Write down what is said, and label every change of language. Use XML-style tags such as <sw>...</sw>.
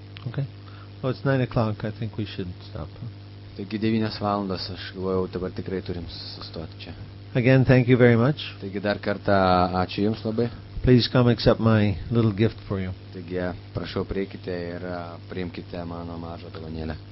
<en>Okay. Well, it's 9 o'clock. I think we should stop.</en> <lt>Taigi 9 valandas, aš galvojau, dabar tikrai turim sustoti čia.</lt> <en>Again, thank you very much.</en> <lt>Taigi dar kartą ačiū Jums labai.</lt> <en>Please come accept my little gift for you.</en> <lt>Taigi, prašau, prieikite ir priimkite mano mažą dovanėlę.</lt>